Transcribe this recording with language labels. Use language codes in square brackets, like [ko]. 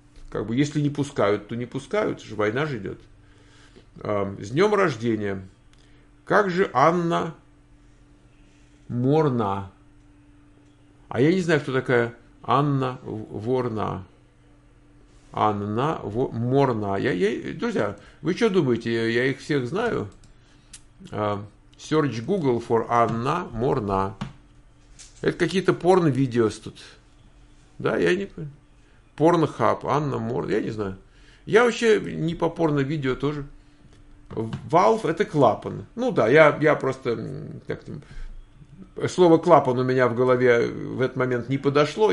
[ru] Как бы, если не пускают, то не пускают, же война же идет. С днем рождения. Как же Анна Ворна? А я не знаю, кто такая Анна Ворна. Анна Ворна. Друзья, вы что думаете, я их всех знаю? [en] Search Google for Анна Ворна. [ru] Это какие-то порно-видео тут. Да, я не понимаю. Порнхаб, Анна Ворна, я не знаю. Я вообще не по порно-видео тоже. Valve – это клапан. Ну да, я просто... Так, слово «клапан» у меня в голове в этот момент не подошло.